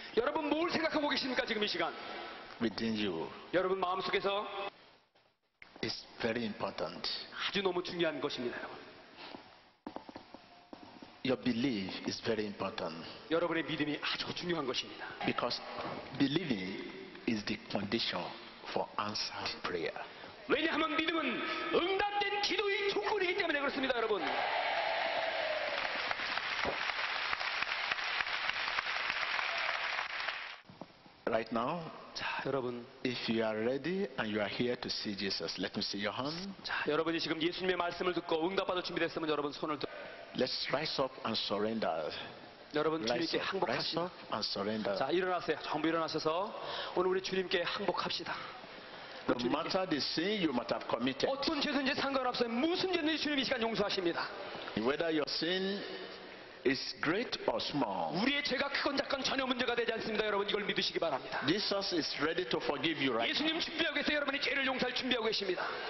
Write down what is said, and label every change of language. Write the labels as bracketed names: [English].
[Korean] 여러분 뭘 생각하고 계십니까 지금 이 시간? [English] Within you. [Korean] 여러분 마음 속에서. [English] It's very important. [Korean] 아주 너무 중요한 것입니다, 여러분. [English] Your belief is very important. [Korean] 여러분의 믿음이 아주 중요한 것입니다. [English] Because believing is the condition for answered prayer. [Korean] 왜냐하면 믿음은 응답된 기도의 조건이기 때문에 그렇습니다, 여러분. [English] Right now, [Korean] 자, 여러분, [English] if you are ready and you are here to see Jesus, let me see your hand. [Korean] 자, 여러분이 지금 예수님의 말씀을 듣고 응답받을 준비됐으면 여러분 손을 들어. [English] Let's rise up and surrender. [Korean] 여러분 주님께 항복합시다. 자, 일어나세요. 전부 일어나셔서 오늘 우리 주님께 항복합시다. [English] No matter the sin you might have committed. [Korean] 어떤 죄든지 상관없어요. 무슨 죄든지 주님이 시간 용서하십니다. [English] Whether your sin is great or small. [Korean] 우리의 죄가 크건 작건 전혀 문제가 되지 않습니다. 여러분 이걸 믿으시기 바랍니다. [English] Jesus is ready to forgive you right. [Korean] 예수님 준비하고 계세요. 여러분이 죄를 용서할 준비하고 계십니다.